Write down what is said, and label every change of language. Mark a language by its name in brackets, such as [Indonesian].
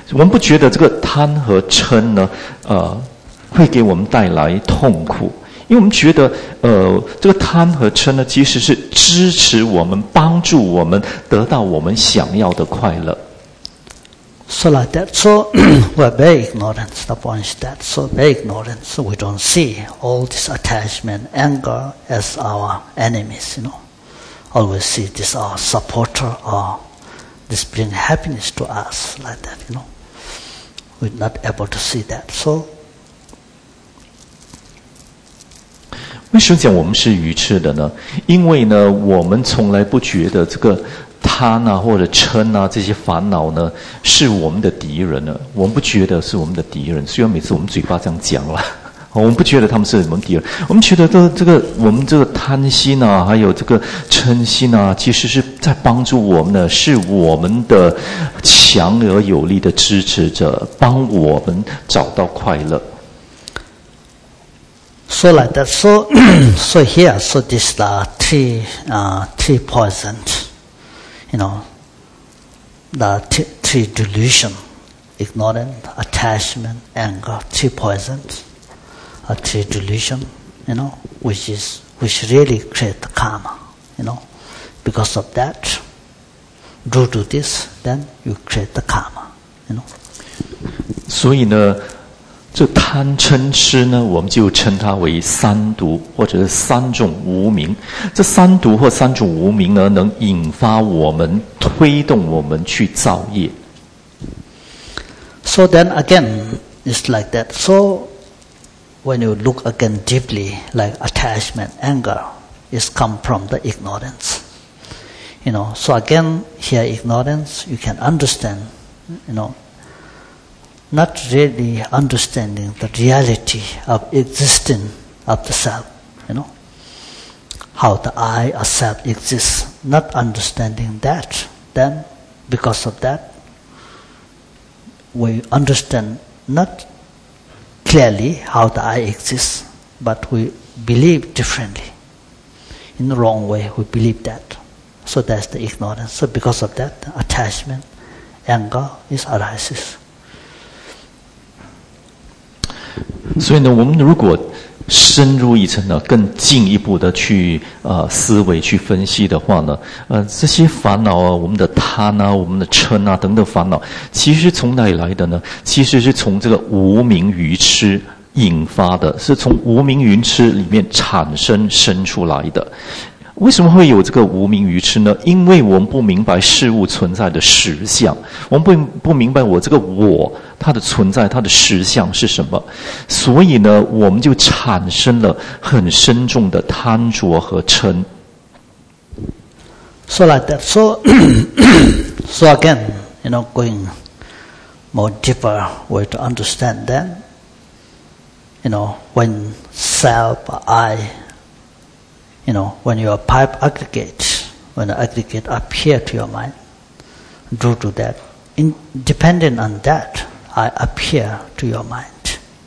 [Chinese] 我们不觉得这个贪和嗔呢，会给我们带来痛苦，因为我们觉得，这个贪和嗔呢，其实是支持我们、帮助我们得到我们想要的快乐。 [English] So like that, so we're very ignorant. The point is that, so very ignorant, so we don't see all this attachment, anger as our enemies, you know. All we see this our supporter, or this bring happiness to us, like that, you know. We're not able to see that, so. [Chinese] 为什么讲我们是愚痴的呢？因为呢，我们从来不觉得这个贪啊或者嗔啊这些烦恼呢是我们的敌人呢，我们不觉得是我们的敌人，虽然每次我们嘴巴这样讲了，我们不觉得他们是我们敌人，我们觉得这个贪心啊还有这个嗔心啊其实是在帮助我们的，是我们的强而有力的支持者，帮我们找到快乐。 [English] So like that, so, so here, so this is the three poisons, you know, the three delusion, ignorance, attachment, anger, three poisons, three delusion, you know, which really create the karma, you know, because of that, due to this, then you create the karma, you know. [Chinese] 所以呢这贪嗔痴呢，我们就称它为三毒，或者是三种无明。这三毒或三种无明呢，能引发我们，推动我们去造业。 [English] So then again, it's like that. So when you look again deeply, like attachment, anger, is come from the ignorance. You know. So again, here ignorance, you can understand. You know. Not really understanding the reality of existing of the self, you know, how the I, a self, exists. Not understanding that, then because of that, we understand not clearly how the I exists, but we believe differently, in the wrong way, we believe that. So that's the ignorance. So because of that, attachment, anger is arises. [Chinese] 所以呢，我们如果深入一层呢，更进一步的去思维去分析的话呢，这些烦恼啊，我们的贪啊，我们的嗔啊等等烦恼，其实从哪里来的呢？其实是从这个无明愚痴引发的，是从无明愚痴里面产生生出来的。为什么会有这个无明愚痴呢？因为我们不明白事物存在的实相，我们不明白我这个我它的存在，它的实相是什么，所以呢，我们就产生了很深重的贪着和嗔。 [English] So like that. So again, you know, going more deeper way to understand them. You know, when self, I, you know, when your five aggregates, when the aggregate appear to your mind, due to that, independent on that, I appear to your mind.